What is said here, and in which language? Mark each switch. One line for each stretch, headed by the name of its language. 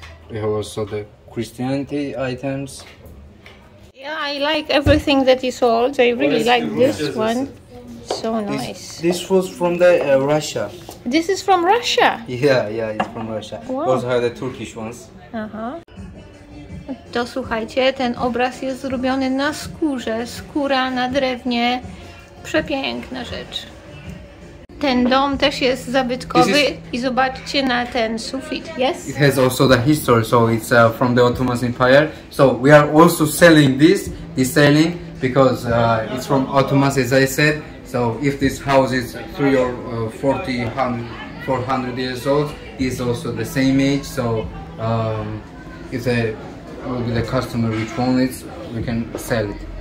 English: We have also the Christianity items. Yeah, I like everything that is old. I really like this one. So nice. This was from the Russia. This is from Russia? Yeah, it's from Russia. Wow. Also have the Turkish ones. Aha.
Polish: To słuchajcie, ten obraz jest zrobiony na skórze, skóra na drewnie. Przepiękna rzecz. Ten dom też jest zabytkowy i zobaczcie na ten sufit,
English: yes? It has also the history, so it's from the Ottoman Empire. So we are also selling this ceiling, because it's from Ottoman, as I said. So if this house is 400 years old, it's also the same age. So if the customer which wants it, we can sell it.